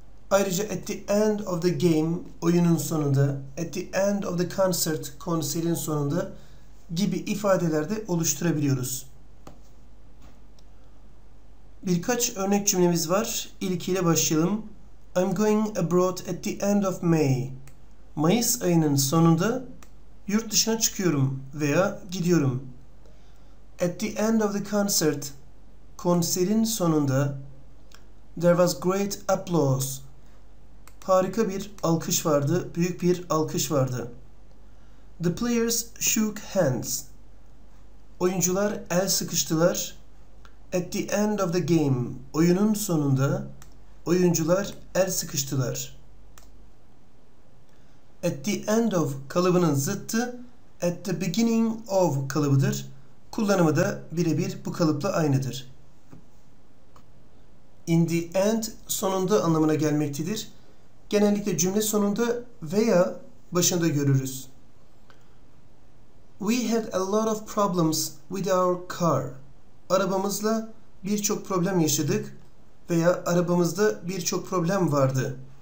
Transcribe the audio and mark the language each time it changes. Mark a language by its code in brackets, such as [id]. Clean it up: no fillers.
[tr] Ayrıca [en] at the end of the game, [tr] oyunun sonunda. [en] At the end of the concert, [tr] konserin sonunda gibi ifadeler de oluşturabiliyoruz. Birkaç örnek cümlemiz var. İlkiyle başlayalım. [en] I'm going abroad at the end of May. [tr] Mayıs ayının sonunda yurt dışına çıkıyorum veya gidiyorum. [en] At the end of the concert, [tr] konserin sonunda, [en] there was great applause. [tr] Harika bir alkış vardı, büyük bir alkış vardı. [en] The players shook hands. [tr] Oyuncular el sıkıştılar. [en] At the end of the game, [tr] oyunun sonunda, oyuncular el sıkıştılar. [en] At the end of [tr] kalıbının zıttı, [en] at the beginning of [tr] kalıbıdır. Kullanımı da birebir bu kalıpla aynıdır. [en] In the end, [tr] sonunda anlamına gelmektedir. Genellikle cümle sonunda veya başında görürüz. [en] We had a lot of problems with our car. [tr] Arabamızla birçok problem yaşadık veya arabamızda birçok problem vardı.